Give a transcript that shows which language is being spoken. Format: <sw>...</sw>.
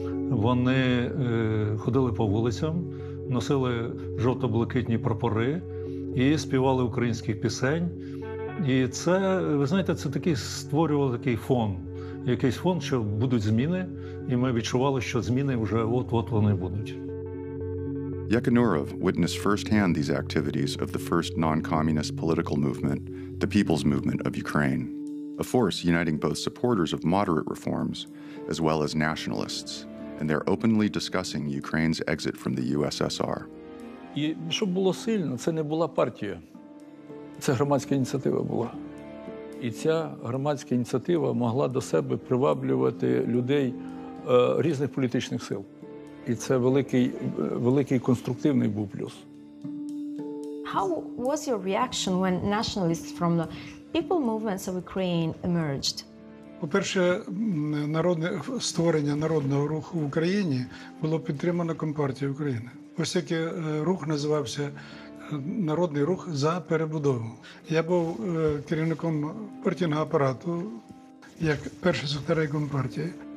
<uk>Вони ходили по вулицям, носили жовто-блакитні прапори і співали українських пісень. І це, ви знаєте, це такий створювало такий фон, якийсь фон, що будуть зміни, і ми відчували, що зміни вже от-от вони будуть.</uk> <en>Якинуров witnessed firsthand these activities of the first non-communist political movement, the People's Movement of Ukraine, a force uniting both supporters of moderate reforms as well as nationalists, and they're openly discussing Ukraine's exit from the USSR.</en> <uk>І що було сильно, це не була партія. Це громадська ініціатива була. І ця громадська ініціатива могла до себе приваблювати людей різних політичних сил. І це великий конструктивний був плюс.</uk> <en>How was your reaction when nationalists from the people movements of Ukraine emerged?</en> <uk>По-перше, створення народного руху в Україні було підтримано Компартією України. Ось який рух називався Народний рух за перебудову. Я був керівником партійного апарату, як перший секретар Компартії.</uk>